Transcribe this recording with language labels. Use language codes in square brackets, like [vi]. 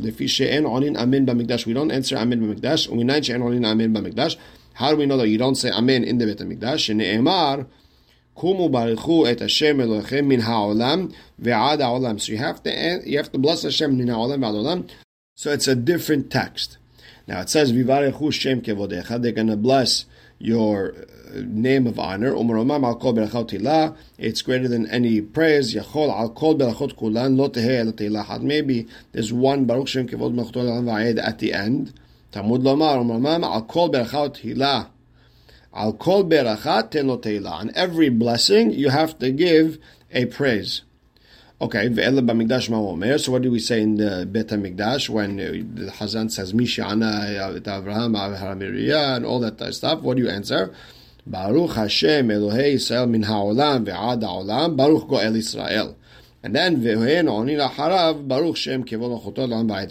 [he] לפי שאין עונין אמן במקדש, [en] we don't answer אמן במקדש, [he] ומניין שאין עונין אמן במקדש, [en] how do we know that you don't say amen in the Beit HaMikdash? [he] שנאמר, קומו ברכו את השם אלוהיכם מן העולם ועד העולם. [en] So you have to bless Hashem [he] מן העולם ועד העולם. [en] So it's a different text. Now it says, [he] ויברכו שם כבודך. [en] They're going to bless your name of honor. [he] ומרומם על כל ברכה ותהילה. [en] It's greater than any praise. [he] יכול על כל ברכות כולן. לא תהיה אלא תהילה אחת. [en] Maybe there's one [he] ברוך שם כבוד מלכותו לעולם ועד [en] at the end. [he] תמוד לומר, ומרמם, על כל ברכה ותהילה. על כל ברכה תן לו תהילה. [en] On every blessing, you have to give a praise. Okay, [he] ואלה במקדש מה הוא אומר? [en] So what do we say in the בית המקדש, when the חזן says, [he] מי שענה את אברהם, הר המוריה, [en] and all that stuff, what do you answer? [he] ברוך השם, אלוהי ישראל, מן העולם ועד העולם, ברוך גואל ישראל. [en] And then, [he] והן עונין אחריו, ברוך שם, כבוד מלכותו לעולם ועד.